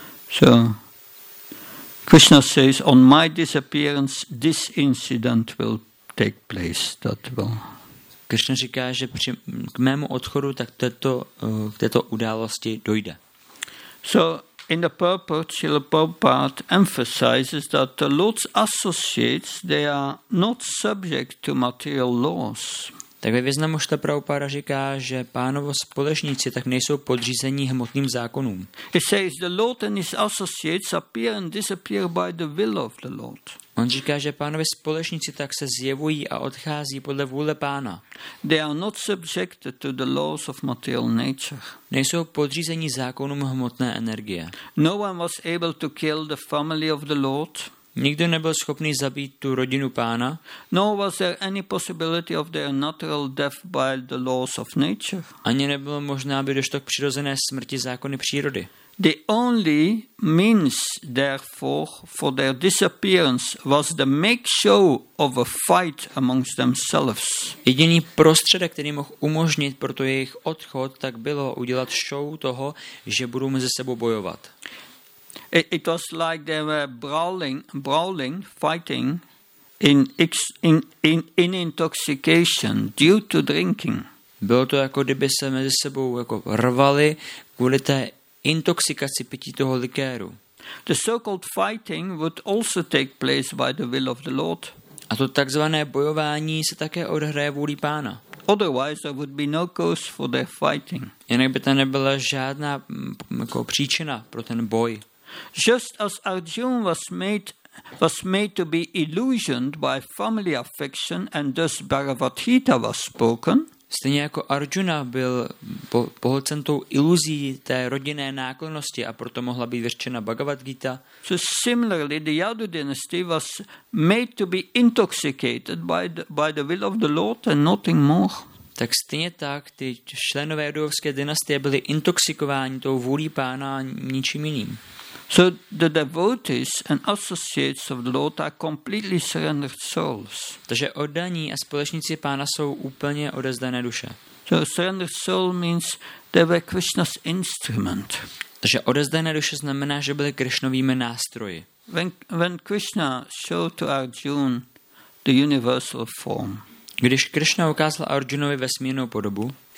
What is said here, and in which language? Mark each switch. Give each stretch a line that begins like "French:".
English: So Krishna says, on my disappearance, this incident will take place. That will.
Czech: Krishna říká, že při k mému odchodu tak k této události dojde.
English: So in the purport, Srila Prabhupada emphasizes that the Lord's associates, they are not subject to material laws.
Czech: Tak ve významu Šta Prabhupada říká, že pánovo společníci tak nejsou podřízení hmotným zákonům.
English: He says the Lord and his associates appear and disappear by the will of the Lord.
Czech: On říká, že pánovi společníci tak se zjevují a odchází podle vůle pána.
English: They are not subjected to the laws of material nature.
Czech: Nejsou podřízení zákonům hmotné energie.
English: No one was able to kill the family of the Lord.
Czech: Nikdo nebyl schopný zabít tu rodinu pána.
English: No was there any possibility of their natural death by the laws of nature.
Czech: Ani nebylo možné, aby došlo k přirozené smrti zákony přírody.
English: The only means, therefore, for their disappearance was the make show of a fight amongst themselves.
Czech: Jediný prostředek, který mohl umožnit pro to jejich odchod, tak bylo udělat show toho, že budou mezi sebou bojovat.
English: It was like they were brawling, fighting in intoxication due to drinking.
Czech: Bylo to jako kdyby se mezi sebou jako rvali kvůli té intoxikaci pití toho likéru.
English: The so-called fighting would also take place by the will of the Lord.
Czech: A to takzvané bojování se také odhraje vůli pána.
English: Otherwise there would be no cause for their fighting.
Czech: Jinak by tam nebyla žádná jako příčina pro ten boj.
English: Just as Arjuna was made to be illusioned by family affection and thus Bhagavad Gita was spoken.
Czech: Stejně jako Arjuna byl pohlcen tou iluzí té rodinné náklonnosti a proto mohla být vyřčena Bhagavad Gita.
English: So similarly the Yadu dynasty was made to be intoxicated by the will of the Lord and nothing more.
Czech: Tak stejně tak ty členové Yadovské dynastie byli intoxikováni tou vůlí pána a ničím jiným.
English: So the devotees and associates of the Lord are completely surrendered souls.
Czech: Takže oddaní a společníci pána jsou úplně odezdané duše.
English: So surrendered soul means they were Krishna's instrument.
Czech: Takže odezdané duše znamená, že byly Krishnovými nástroji.
English: When Krishna showed to Arjuna the universal form.
Czech: Když Krishna ukázal Arjunovi vesmírnou podobu,